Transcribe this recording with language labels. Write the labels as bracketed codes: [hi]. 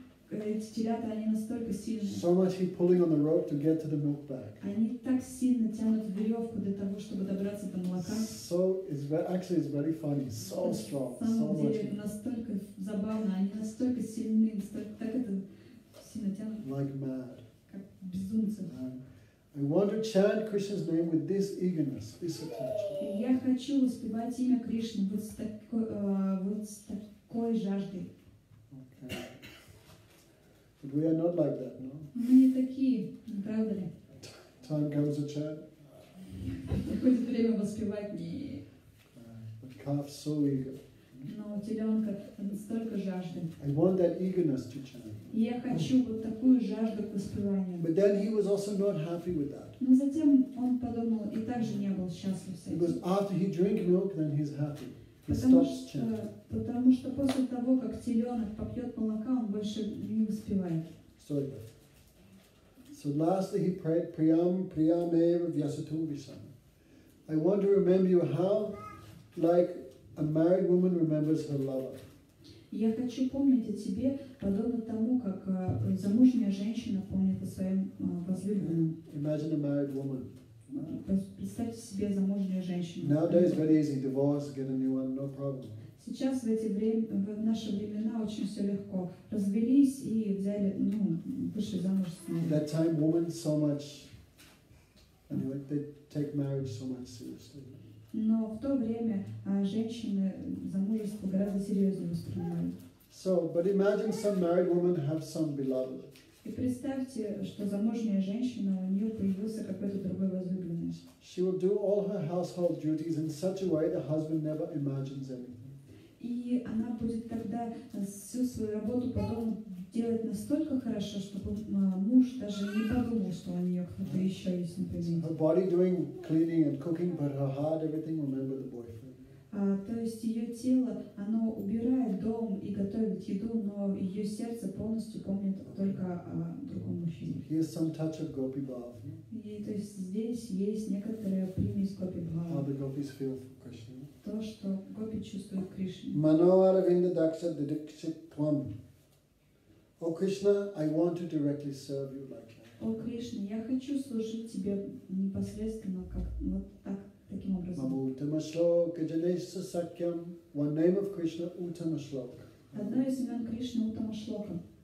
[ru] Эти телята, они настолько сильны. [en] So much he pulling on the rope to get to the milk bag. [ru] Они так сильно тянут веревку для того, чтобы добраться до молока. [en] So it's actually it's very funny. So strong. So much. [ru] Настолько забавно, они настолько сильны, так это сильно тянут. [en] Like mad. [ru] Как безумцы. [en] I want to chant Krishna's name with this eagerness, this attachment. [ru] Я хочу воспевать имя Кришны вот с такой жаждой. [en] Okay. But we are not like that, no? [ru] Мы не такие, не правда ли? [en] Time comes to chant. [ru] Приходит время воспевать. Не. [en] But calf so eager. [ru] Но теленка настолько жаждет. [en] I want that eagerness to chant. [ru] Я хочу вот такую жажду к воспеванию. [en] But then he was also not happy with that. [ru] Но затем он подумал и также не был счастлив с этим. [en] Because after he drink milk, then he's happy. He stops chanting. [ru] Потому что после того, как теленок попьет молока, он больше не воспевает. [en] Sorry. So lastly he prayed, [sa] Priyameva Vyasatu Visam. [en] I want to remember you how, like a married woman remembers her lover. [ru] Я хочу помнить о тебе, подобно тому, как замужняя женщина помнит о своем возлюбленном. [en] Imagine a married woman. [ru] Представьте себе замужнюю женщину. [en] Nowadays very easy, divorce, get a new one, no problem. [ru] Сейчас в наши времена очень все легко. Развелись и взяли, вышли замуж. [en] That time women so much, anyway, they take marriage so much seriously. [ru] Но в то время женщины замужество гораздо серьезнее воспринимают. [en] So, but imagine some married woman have some beloved. [ru] И представьте, что замужняя женщина, у нее появился какой-то другой возлюбленный. [en] She will do all her household duties in such a way the husband never imagines anything. [ru] И она будет тогда всю свою работу потом делать настолько хорошо, чтобы муж даже не подумал, что у нее кто-то еще есть, например. [en] Her body doing cleaning and cooking, but her heart, everything, remember the boyfriend. [ru] То есть ее тело, оно убирает дом и готовит еду, но ее сердце полностью помнит только о другом мужчине. [en] Here's some touch of gopi bhav. [ru] И то есть здесь есть некоторая примесь гопи бхава. [en] How the gopis feel for Krishna. [ru] То, что гопи чувствуют Кришне. [sa] Mano aravinda daksha didikshit tvam. [en] О Кришна, I want to directly serve you like that. [ru] О Кришна, я хочу служить тебе непосредственно, как вот так, таким образом. [sa] Мамо утама шлока джанеса сакьям. [en] One name of Krishna, утама шлока. [ru] Одно из имен Кришны, утама шлока.